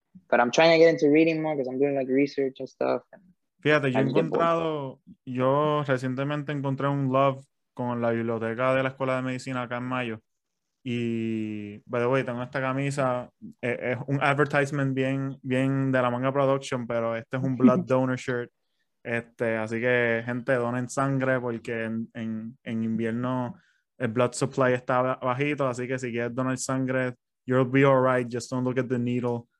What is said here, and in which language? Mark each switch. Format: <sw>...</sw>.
<en>But I'm trying to get into reading more because I'm doing like research and stuff.</en> <es>Fíjate, yo he</es> <en>I get bored.</en> <es>encontrado, yo recientemente encontré un love con la biblioteca de la Escuela de Medicina acá en Mayo. Y, by the way, tengo esta camisa, es un advertisement bien, bien de la manga production, pero este es un</es> <en>blood donor shirt.</en> <es>Así que, gente, donen sangre porque en invierno el blood supply está bajito. Así que si quieres donar sangre,</es> <en>you'll be alright, just don't look at the needle.</en>